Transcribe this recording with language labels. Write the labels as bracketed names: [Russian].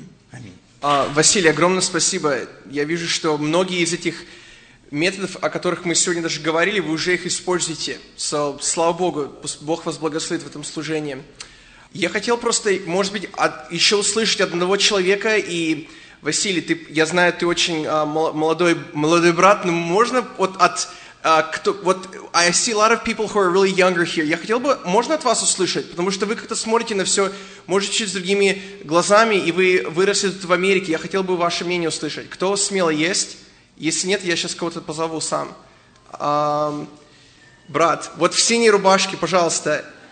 [Russian] Аминь. Василий, огромное спасибо. Я вижу, что многие из этих методов, о которых мы сегодня даже говорили, вы уже их используете. Слава Богу, Бог вас благословит в этом служении. Я хотел просто, может быть, еще услышать одного человека. И, Василий, я знаю, ты очень молодой брат, но можно [English] I see a lot of people who are really younger here. [Russian] Я хотел бы, можно от вас услышать? Потому что вы как-то смотрите на все, может, чуть с другими глазами, и вы выросли тут в Америке. Я хотел бы ваше мнение услышать. Кто смело есть? Если нет, я сейчас кого-то позову сам. Брат, вот в синей рубашке, пожалуйста.